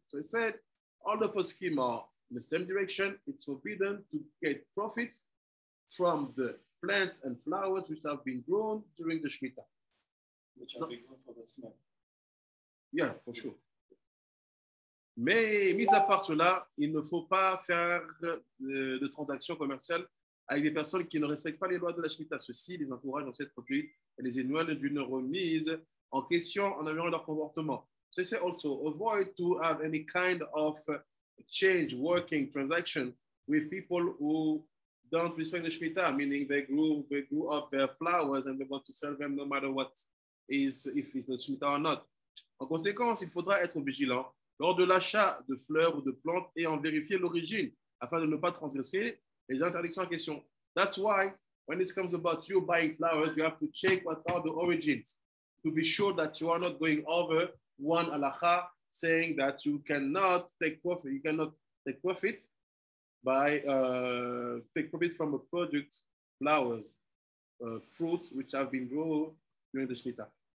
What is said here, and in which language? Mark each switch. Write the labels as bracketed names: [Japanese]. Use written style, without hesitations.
[English] So he said, all the poskim are in the same direction, it's forbidden to get profits from the plants and flowers which have been grown during the Shemitah. Which have been grown for the smell. Yeah, for sure. [French] Mais, mis à part cela, il ne faut pas faire de transactions commerciales avec des personnes qui ne respectent pas les lois de la Shemitah. Ceci les encourage dans cette produit et les éloigne d'une remise en question en améliorant leur comportement. [English] Ceci also avoid to have any kind of change working transaction with people who don't respect the Shemitah, meaning they grew up their flowers and they want to sell them no matter what is if it's the Shemitah or not. [French] En conséquence, il faudra être vigilant lors de l'achat de fleurs ou de plantes et en vérifier l'origine afin de ne pas transgresser les interdictions en question. [English] That's why when it comes about you buying flowers, you have to check what are the origins to be sure that you are not going over one halakha saying that you cannot take profit. You cannot take profit by take profit from a product, flowers, fruits which have been grown during the Shemitah.